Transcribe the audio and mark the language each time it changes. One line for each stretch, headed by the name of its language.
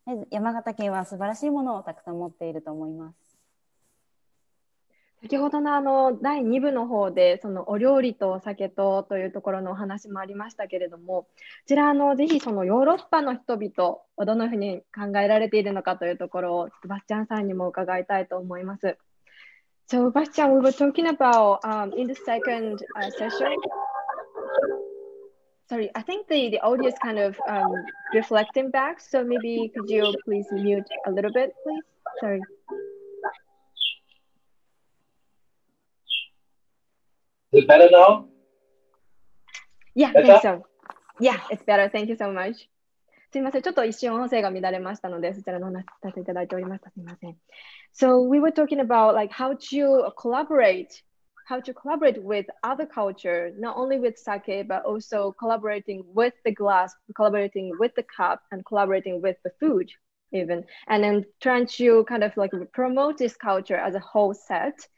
Japanese: 山形県は素晴らしいものをたくさん持っていると思います。先ほど の、 あの第2部の方でそのお料理とお酒とというところのお話もありましたけれども、こちらのぜひそのヨーロッパの人々をどのふうに考えられているのかというところをバッチャンさんにも伺いたいと思います。
English: So Bastian, we were talking about、in the second、session. Sorry, I think the audio is kind of、reflecting back, so maybe could you please mute a little bit, please? Sorry Is it better now? Yeah, thank you. Yeah, it's better. Thank you so much.
Japanese: すみません、ちょっと一瞬音声が乱れましたので、そちらの話させていただいておりました。すみません。
English: So we were talking about like how to collaborate with other culture, not only with sake, but also collaborating with the glass, collaborating with the cup, and collaborating with the food even, and then trying to kind of like promote this culture as a whole set.